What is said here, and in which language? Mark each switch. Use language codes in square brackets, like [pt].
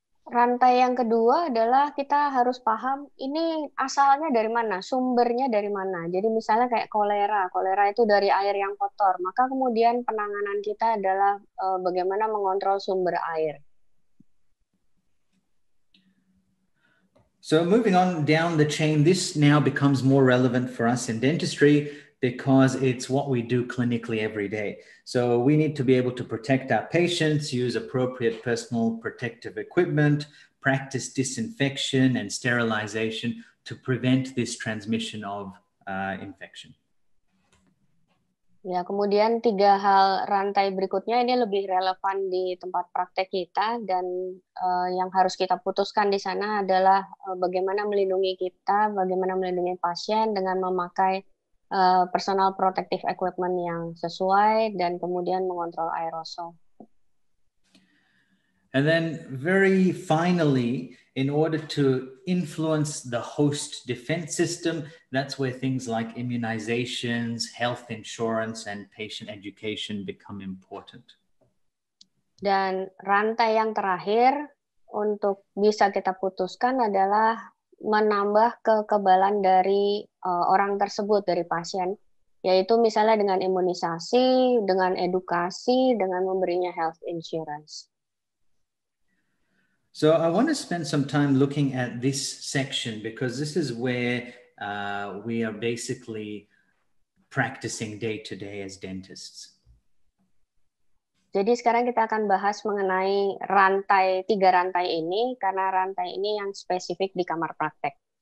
[id] Rantai yang kedua adalah kita harus paham ini asalnya dari mana, sumbernya dari mana. Jadi misalnya kayak kolera itu dari air yang kotor, maka kemudian penanganan kita adalah bagaimana mengontrol sumber air. [en] So moving on down the chain, this now becomes more relevant for us in dentistry because it's what we do clinically every day. So we need to be able to protect our patients, use appropriate personal protective equipment, practice disinfection and sterilization to prevent this transmission of infection. [id] Ya, kemudian tiga hal rantai berikutnya ini lebih relevan di tempat praktek kita, dan yang harus kita putuskan di sana adalah bagaimana melindungi kita, bagaimana melindungi pasien dengan memakai personal protective equipment yang sesuai, dan kemudian mengontrol aerosol. [en] And then very finally, in order to influence the host defense system, that's where things like immunizations, health insurance, and patient education become important. [id] Dan rantai yang terakhir untuk bisa kita putuskan adalah menambah kekebalan dari orang tersebut, dari pasien, yaitu misalnya dengan imunisasi, dengan edukasi, dengan memberinya health insurance. [en] So I want to spend some time looking at this section because this is where we are basically practicing day to day as dentists. [id] Jadi sekarang kita akan bahas mengenai rantai, tiga rantai ini, karena rantai ini yang spesifik di kamar praktek.